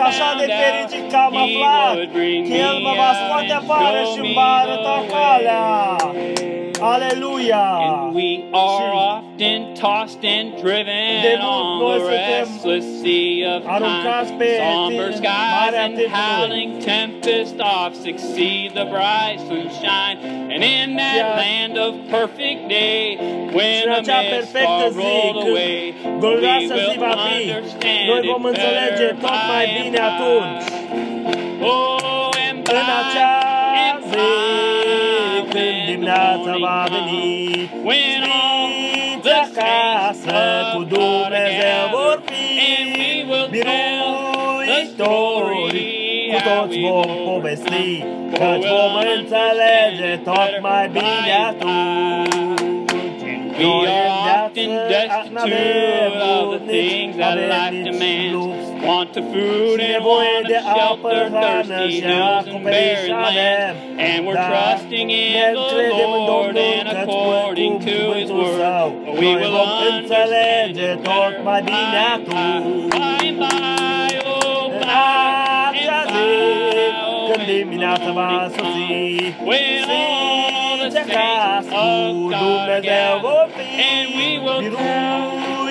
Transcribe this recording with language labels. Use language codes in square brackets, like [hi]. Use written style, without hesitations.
[ro] așa de fericit că am aflat că El mă va scoate afară și îmi va arăta calea. Aleluia! [en] And we are often tossed and driven on the restless sea of time. Somber skies and howling tempests oft succeed the bright sunshine. And in that land of perfect day, when the mists are rolled away, we will understand it better by and by. Oh, and by and by. [ro] Când dimineața va veni, spiți acasă, cu Dumnezeu vor fi biruitori. Cu toți vom povesti, căci vom înțelege tot mai bine atunci. [en] We are often destitute of the things that life demands. Want to food and want a shelter, thirsty hills and barren land. And we're trusting in the Lord and according to His word. But we will understand it better by and by, by and by, oh by and by, oh by and by, when all the saints of God gather, and we will come.